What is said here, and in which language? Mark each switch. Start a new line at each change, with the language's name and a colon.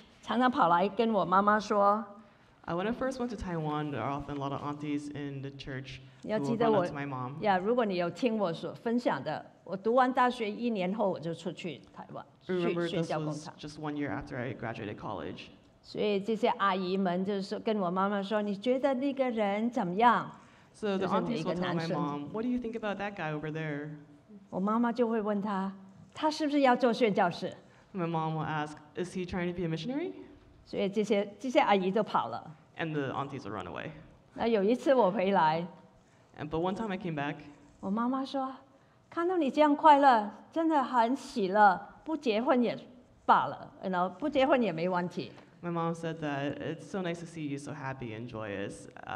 Chinese: 那我说完这个我就结束。有一次我刚刚去台湾的时候，有教会的一些阿姨常常跑来跟我妈妈说：
English: “When I first went to Taiwan, there are often a lot of aunties in the church who run up to my mom.
Chinese: Yeah, 如果你有听我所分享的。我读完大学一年后，我就出去台湾，
English: Remember, this was just 1 year after I graduated college.
Chinese: 所以这些阿姨们就是跟我妈妈说，你觉得那个人怎么样？
English: So the aunties will tell my mom, "What do you think about that guy over there?"
Chinese: 我妈妈就会问他，他是不是要做宣教士？
English: My mom will ask, "Is he trying to be a missionary?"
Chinese: 所以这些阿姨都跑了。
English: And the aunties will run away.
Chinese: 那有一次我回来，
English: And but one time I came back.
Chinese: 我妈妈说， 看到你这样快乐，真的很喜乐，不结婚也罢了，然后不结婚也没问题。
English: My mom said that it's so nice to see you so happy and joyous.